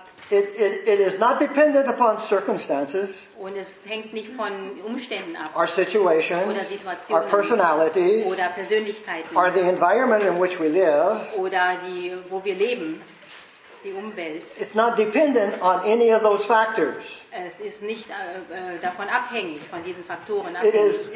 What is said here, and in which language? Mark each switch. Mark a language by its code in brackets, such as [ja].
[en] It is not dependent upon circumstances. [de] Und es hängt nicht von Umständen ab. [en] Our situations. [de] Oder Situationen. [en] Our personalities. [de] Oder Persönlichkeiten. [en] Or the environment in which we live. [de] Oder die, wo wir leben. Die Umwelt. [en] It's not dependent on any of those factors. [de] Es ist nicht davon abhängig, von diesen Faktoren abhängig.